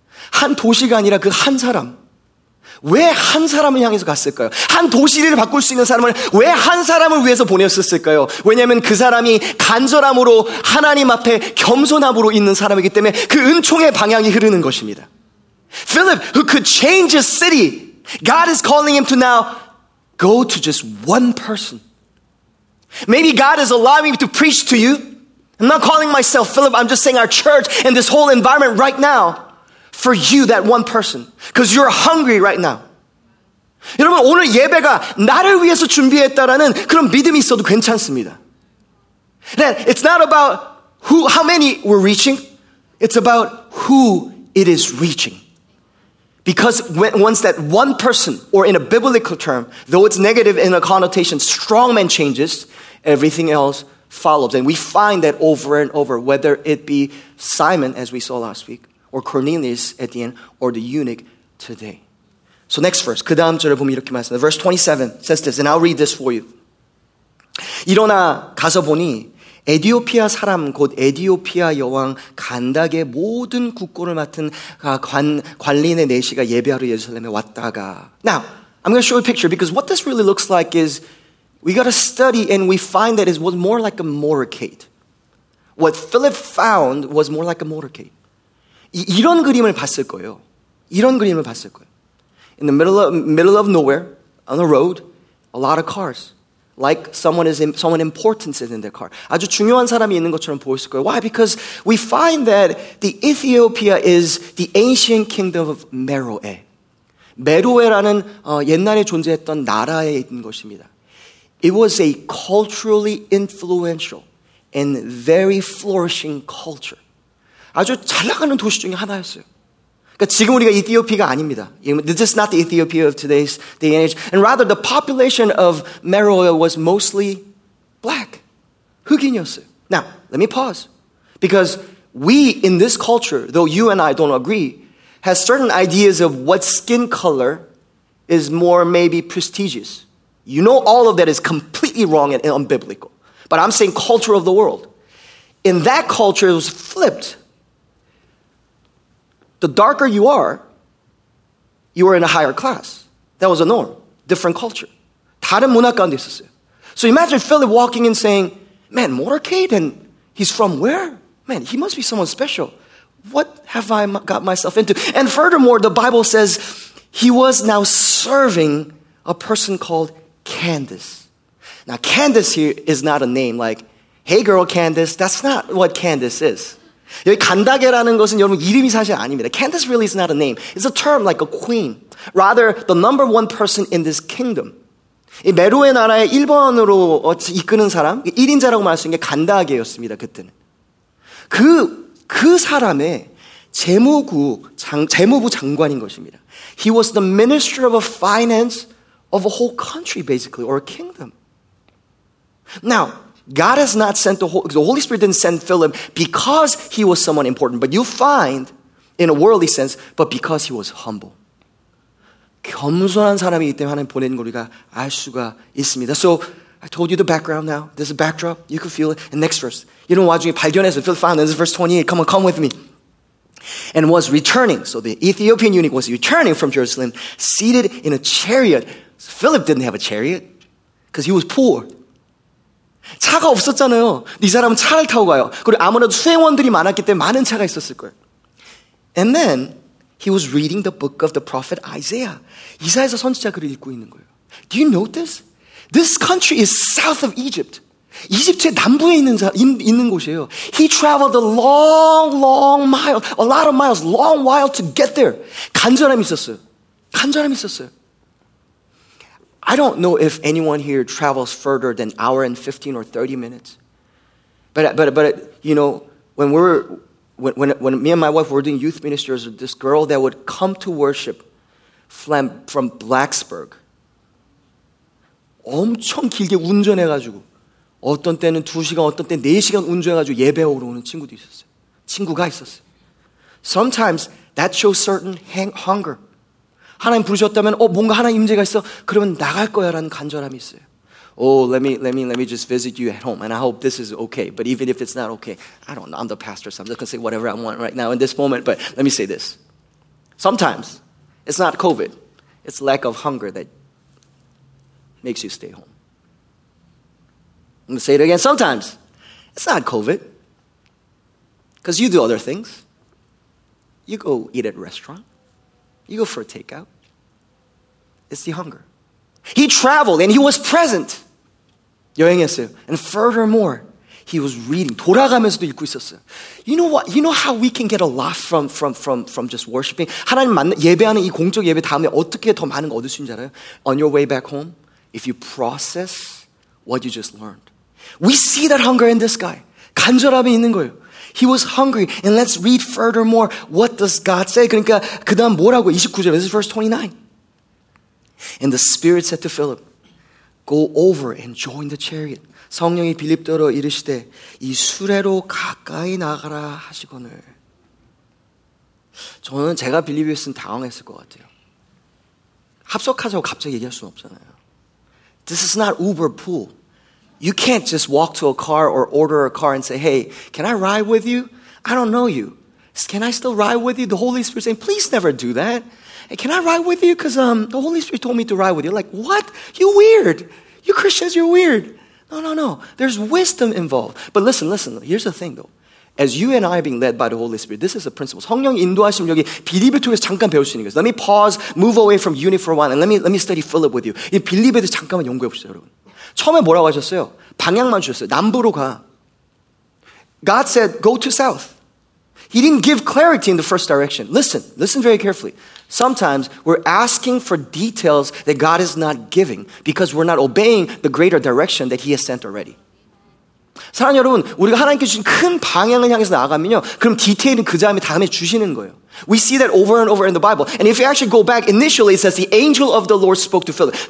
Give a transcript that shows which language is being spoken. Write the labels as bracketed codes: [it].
[ko] 한 도시가 아니라 그 한 사람. 왜 한 사람을 향해서 갔을까요? 한 도시를 바꿀 수 있는 사람을 왜 한 사람을 위해서 보냈을까요? 왜냐하면 그 사람이 간절함으로 하나님 앞에 겸손함으로 있는 사람이기 때문에 그 은총의 방향이 흐르는 것입니다. [en] Philip, who could change his city, God is calling him to now go to just one person. Maybe God is allowing me to preach to you. I'm not calling myself Philip, I'm just saying our church and this whole environment right now for you, that one person. Because you're hungry right now. [ko] 여러분, 오늘 예배가 나를 위해서 준비했다라는 그런 믿음이 있어도 괜찮습니다. [en] That it's not about who, how many we're reaching. It's about who it is reaching. Because when, once that one person, or in a biblical term, though it's negative in a connotation, strong man changes, everything else follows. And we find that over and over, whether it be Simon, as we saw last week, or Cornelius at the end, or the eunuch today. So next verse, [ko] 그 다음 절을 보면 이렇게 말씀합니다. [en] Verse 27 says this, and I'll read this for you. [ko] 일어나 가서 보니 에디오피아 사람 곧 에디오피아 여왕 간닥의 모든 국고를 맡은 관리인의 내시가 예배하러 예루살렘에 왔다가. [en] Now, I'm going to show you a picture because what this really looks like is we got a study and we find that it was more like a motorcade. What Philip found was more like a motorcade. [ko] 이런 그림을 봤을 거예요. 이런 그림을 봤을 거예요. [en] In the middle of nowhere, on the road, a lot of cars. Like someone important is in their car. [ko] 아주 중요한 사람이 있는 것처럼 보였을 거예요. [en] Why? Because we find that the Ethiopia is the ancient kingdom of Meroe. [ko] Meroe라는 옛날에 존재했던 나라에 있는 것입니다. [en] It was a culturally influential and very flourishing culture. [ko] 아주 잘 나가는 도시 중에 하나였어요. 그러니까 지금 우리가 이티오피아가 아닙니다. [en] This is not the Ethiopia of today's day and age. And rather, the population of Meroe was mostly black. [ko] 흑인이었어요. [en] Now, let me pause. Because we in this culture, though you and I don't agree, has certain ideas of what skin color is more maybe prestigious. You know all of that is completely wrong and unbiblical. But I'm saying culture of the world. In that culture, it was flipped. The darker you are in a higher class. That was a norm. Different culture. [ko] 다른 문화 가운데 있었어요. [en] So imagine Philip walking and saying, man, motorcade? And he's from where? Man, he must be someone special. What have I got myself into? And furthermore, the Bible says he was now serving a person called Candace. Now, Candace here is not a name like, hey girl, Candace. That's not what Candace is. [ko] 여기 간다게라는 것은 여러분 이름이 사실 아닙니다. [en] Candace really is not a name. It's a term like a queen. Rather, the number one person in this kingdom. [ko] 이 메로의 나라의 1번으로 이끄는 사람, 1인자라고 말할 수 있는 게 간다게였습니다, 그때는. 그 사람의 재무부 장관인 것입니다. [en] He was the minister of a finance of a whole country, basically, or a kingdom. Now, God has not sent the Holy Spirit didn't send Philip because he was someone important, but you find, in a worldly sense, but because he was humble. [ko] 겸손한 사람이기 때문에 하나님 보낸 걸 우리가 알 수가 있습니다. So [en] I told you the background now. This is a backdrop. You could feel it. And next verse. [ko] 이런 와중에 발견해서 [en] feel fine. This is verse 28. Come on, come with me. And was returning. So the Ethiopian eunuch was returning from Jerusalem, seated in a chariot. So Philip didn't have a chariot because he was poor. [ko] 차가 없었잖아요. 이 사람은 차를 타고 가요. 그리고 아무래도 수행원들이 많았기 때문에 많은 차가 있었을 거예요. [en] And then he was reading the book of the prophet Isaiah. [ko] 이사야서 선지자 글을 읽고 있는 거예요. [en] Do you notice? This country is south of Egypt. [ko] 이집트의 남부에 있는 곳이에요. [en] He traveled a long, long mile, a lot of miles, long while to get there. [ko] 간절함이 있었어요. 간절함이 있었어요. [en] I don't know if anyone here travels further than hour and 15 or 30 minutes. But you know, when me and my wife were doing youth ministers, this girl that would come to worship from Blacksburg. [ko] 엄청 길게 운전해가지고 어떤 때는 2시간, 어떤 때는 4시간 운전해가지고 예배하러 오는 친구도 있었어요. 친구가 있었어요. [en] Sometimes that shows certain hunger. [ko] 하나님 부르셨다면 뭔가 하나님 임재가 있어. 그러면 나갈 거야라는 간절함이 있어요. [en] Oh, let me just visit you at home, and I hope this is okay. But even if it's not okay, I don't know. I'm the pastor, so I'm just going to say whatever I want right now in this moment. But let me say this. Sometimes it's not COVID. It's lack of hunger that makes you stay home. I'm going to say it again. Sometimes it's not COVID because you do other things. You go eat at a restaurant. You go for a takeout. It's the hunger. He traveled and he was present. [ko] 여행했어요. [en] And furthermore, he was reading. [ko] 돌아가면서도 읽고 있었어요. [en] You know what? You know how we can get a lot from just worshiping? [ko] 하나님 예배하는 이 공적 예배 다음에 어떻게 더 많은 거 얻을 수 있는지 알아요? [en] On your way back home, if you process what you just learned. We see that hunger in this guy. [ko] 간절함이 있는 거예요. [en] He was hungry. And let's read furthermore. What does God say? [ko] 그러니까 그 다음 뭐라고 29절. [en] This is verse 29. And the Spirit said to Philip, go over and join the chariot. [ko] 성령이 빌립더러 이르시되 이 수레로 가까이 나가라 하시거늘. 저는 제가 빌립이었으면 당황했을 것 같아요. 합석하자고 갑자기 얘기할 수는 없잖아요. [en] This is not Uber pool. You can't just walk to a car or order a car and say, hey, can I ride with you? I don't know you. Can I still ride with you? The Holy Spirit saying, please never do that. Hey, can I ride with you? Because the Holy Spirit told me to ride with you. Like, what? You're weird. You Christians, you're weird. No, no, no. There's wisdom involved. But listen. Here's the thing, though. As you and I are being led by the Holy Spirit, this is a principle. [ko] 성령 인도하심 여기 빌립을 통해서 잠깐 배울 수 있는 거예요. [en] Let me pause, move away from unit for a while, and let me study Philip with you. [ko] 이 빌립에 대해서 잠깐만 연구해 보시죠, 여러분. 처음에 뭐라고 하셨어요? 방향만 주셨어요. 남부로 가. [en] God said, go to south. He didn't give clarity in the first direction. Listen very carefully. Sometimes we're asking for details that God is not giving because we're not obeying the greater direction that he has sent already. [ko] 사랑하는 여러분, 우리가 하나님께 주신 큰 방향을 향해서 나아가면요. 그럼 디테일은 그 다음에 주시는 거예요. [en] We see that over and over in the Bible. And if you actually go back, initially it says the angel of the Lord spoke to Philip.